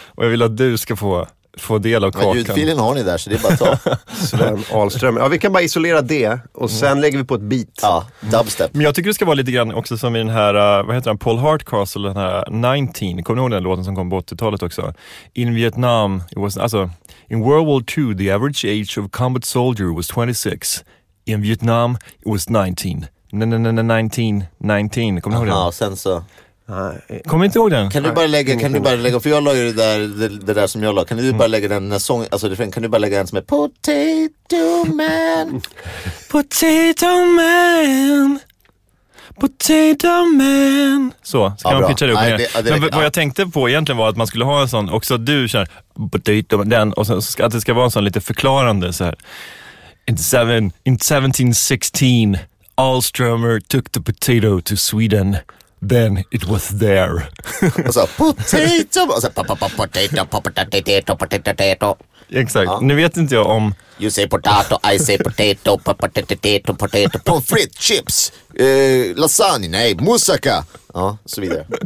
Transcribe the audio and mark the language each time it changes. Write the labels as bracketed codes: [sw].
[sv] Och jag vill att du ska få del av kakan. Men ljudfilen har ni där, så det är bara att ta. Sven Ahlström. Ja, vi kan bara isolera det och sen lägger vi på ett beat. Ja, dubstep. Men jag tycker det ska vara lite grann också som i den här, vad heter den, Paul Hardcastle, den här 19. Kommer ni ihåg den låten som kom på 80-talet också? [en] In Vietnam, in World War II, the average age of a combat soldier was 26. In Vietnam, it was 19. Nineteen. [sv] Kommer ni ihåg den? Ja, sen så... Kommer inte ihåg den. Kan du bara lägga för jag la ju det där som jag la. Kan du bara lägga den när sång, alltså det kan du bara lägga den som är Potato Man. Potato Man. Potato man. Så, ska ja, man pitcha det upp. Nej, det, men det, vad jag tänkte på egentligen var att man skulle ha en sån också, du känner potato man, och sen ska, att det ska vara en sån lite förklarande så här. [en] In 1716 Alströmer took the potato to Sweden. Then it was there. [sv] Och så potato, och så potato. Exakt, ja. Nu vet inte jag om... [en] You say potato, I say potato, potato, potato, pommes frites, chips, lasagne, nej, moussaka. [sv] Ja, så vidare.